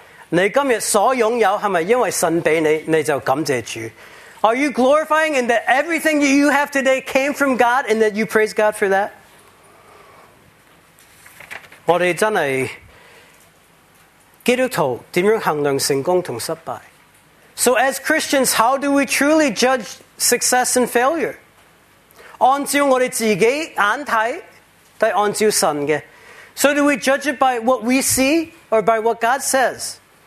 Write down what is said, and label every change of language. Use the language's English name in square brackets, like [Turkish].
[Chinese] 你今日所拥有是不是因为神给你,你就感谢主? [English] Are you glorifying in that everything you have today came from God and that you praise God for that? [Chinese] 我们真的基督徒怎样衡量成功和失败? [English] So as Christians, how do we truly judge success and failure? [Chinese] 按照我们自己眼睇,但按照神的。 [English] So do we judge it by what we see or by what God says?